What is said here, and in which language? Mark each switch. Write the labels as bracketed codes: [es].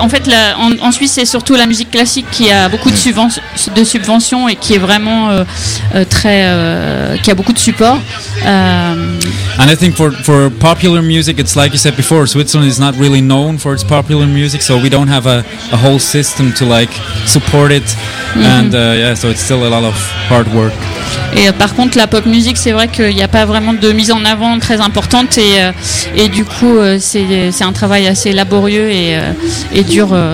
[fr] En fait, en Suisse, c'est surtout la musique classique qui a beaucoup de subventions et qui est vraiment très, qui a beaucoup de support. [en] And I think for popular music, it's like you said before, Switzerland is not really known for its popular music, so we don't have a whole system to like support it. Mm-hmm. And so it's still a lot of hard work. [fr] Et par contre, la pop musique, c'est vrai qu'il n'y a pas vraiment de mise en avant très importante, et du coup, c'est un travail assez laborieux et dur.